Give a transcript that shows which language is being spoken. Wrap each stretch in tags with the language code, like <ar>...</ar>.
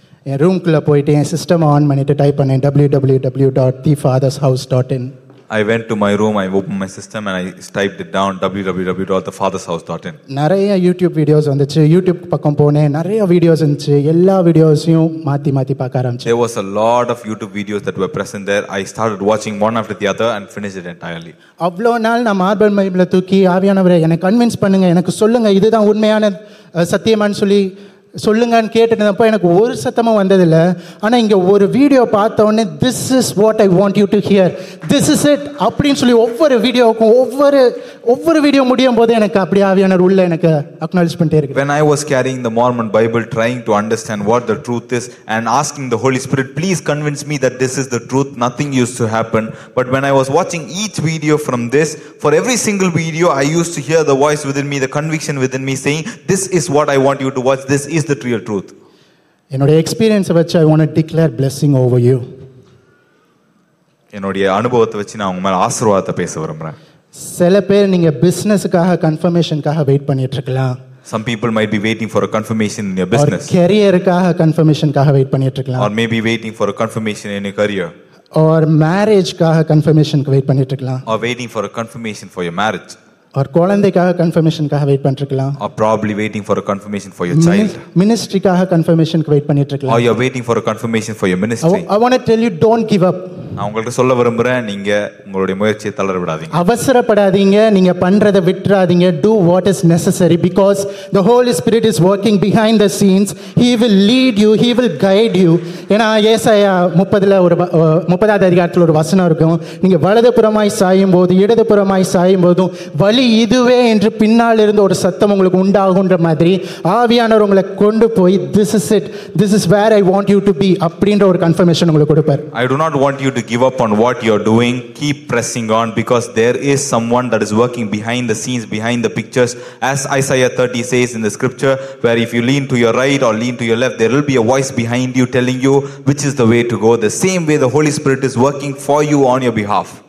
<ta>என் ரூம்குள்ளே போயிட்டு என் system on பண்ணிட்டு டைப் பண்ணேன், www.thefathershouse.in.</ta> <en>I went to my room, I opened my system and I typed it down, www.thefathershouse.in.</en> <ta>நிறைய YouTube videos வந்துச்சு, YouTube பக்கம் போனேன், நிறைய வீடியோஸ் இருந்துச்சு, எல்லா வீடியோஸையும் மாத்தி மாத்தி பார்க்க ஆரம்பிச்சு.</ta> <en>There was a lot of YouTube videos that were present there. I started watching one after the other and finished it entirely.</en> <ta>அவ்வளோ நாள் நான் மார்பல் மைபிளை தூக்கி ஆவியானவரே எனக்கு கன்வின்ஸ் பண்ணுங்க, எனக்கு சொல்லுங்க இதுதான் உண்மையான சத்தியமானு சொல்லி சொல்லுங்கன்னு கேட்டுட்டு எனக்கு ஒரு சத்தமும் வந்ததில்லை. ஆனால் இங்கே ஒரு வீடியோ பார்த்த உடனே</ta> <en>this is what I want you to hear, this is it</en> <ta>அப்படின்னு சொல்லி ஒவ்வொரு வீடியோவுக்கும் ஒவ்வொரு வீடியோ முடியும் போது எனக்கு அப்படி ஆவியானவர் உள்ள எனக்கு அக்னாலேஜ் பண்ணிட்டே இருக்கு.</ta> <en>When I was carrying the Mormon Bible trying to understand what the truth is and asking the Holy Spirit, please convince me that this is the truth, nothing used to happen. But when I was watching each video from this, for every single video I used to hear the voice within me, the conviction within me saying, this is what I want you to watch, this is the real truth.</en> <ta>என்னோட எக்ஸ்பீரியன்ஸை வச்சு</ta> <en>I want to declare blessing over you.</en> <ta>என்னுடைய அனுபவத்தை வச்சு நான் உங்க மேல ஆசீர்வாதத்தை பேச விரும்புறேன். சில பேர் நீங்க பிசினஸுக்காக கன்ஃபர்மேஷனுக்காக வெயிட் பண்ணிட்டு இருக்கலாம்.</ta> <en>Some people might be waiting for a confirmation in your business.</en> <ta>கேரியருக்காக கன்ஃபர்மேஷனுக்காக wait பண்ணிட்டு இருக்கலாம்.</ta> <en>Or maybe waiting for a confirmation in your career.</en> <ta>Or marriageக்காக கன்ஃபர்மேஷனுக்கு wait பண்ணிட்டு இருக்கலாம்.</ta> <en>Or waiting for a confirmation for your marriage.</en> <ta>Or குழந்தைக்காக கன்ஃபர்மேஷனுக்காக wait பண்ணிட்டு இருக்கலாம்.</ta> <en>Or probably waiting for a confirmation for your child.</en> <ta>Ministryக்காக கன்ஃபர்மேஷனுக்கு wait பண்ணிட்டு இருக்கலாம்.</ta> <en>Or you're waiting for a confirmation for your ministry. I want to tell you, don't give up.</en> <ta>நான் உங்களுக்கு சொல்ல விரும்புறேன், நீங்க உங்களுடைய முயற்சியை தளர விடாதீங்க, அவசரப்படாதீங்க, நீங்க பண்றதை விட்டுறாதீங்க.</ta> <en>Do what is necessary because the Holy Spirit is working behind the scenes. He will lead you, he will guide you.</en> <ta>ஏனா ஏசாயா 30வது அதிகாரத்தில் ஒரு வசனம் இருக்கும், நீங்க வலதுபுறமாய் சாயும் போது இடதுபுறமாய் சாயும் போதும் வழி இதுவே என்று பின்னால் இருந்து ஒரு சத்தம் உங்களுக்கு உண்டாகுன்ற மாதிரி ஆவியானவர் உங்களை கொண்டு போய்</ta> <en>this is it, this is where I want you to be</en> <ta>அப்படின்ற ஒரு கன்ஃபர்மேஷன் உங்களுக்கு கொடுப்பார்.</ta> <en>I do not want you to give up on what you are doing. Keep pressing on because there is someone that is working behind the scenes, behind the pictures, as Isaiah 30 says in the scripture, where if you lean to your right or lean to your left, there will be a voice behind you telling you which is the way to go. The same way the Holy Spirit is working for you on your behalf.</en>